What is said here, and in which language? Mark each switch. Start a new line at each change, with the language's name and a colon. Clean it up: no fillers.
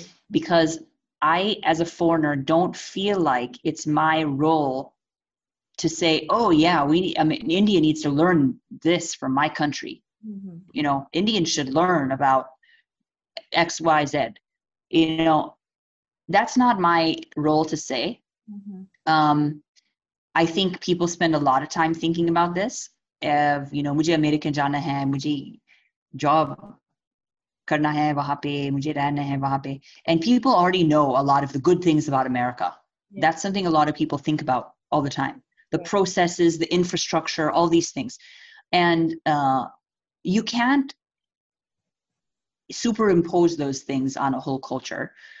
English: Because I, as a foreigner, don't feel like it's my role to say, oh yeah, India needs to learn this from my country. Mm-hmm. You know, Indians should learn about X, Y, Z. You know, that's not my role to say. Mm-hmm. I think people spend a lot of time thinking about this. If, you know,
Hindi: मुझे American जाना है, मुझे job करना है वहाँ पे, मुझे रहना है वहाँ पे.
English: And people already know a lot of the good things about America. Yeah. That's something a lot of people think about all the time. The processes, the infrastructure, all these things. And you can't superimpose those things on a whole culture.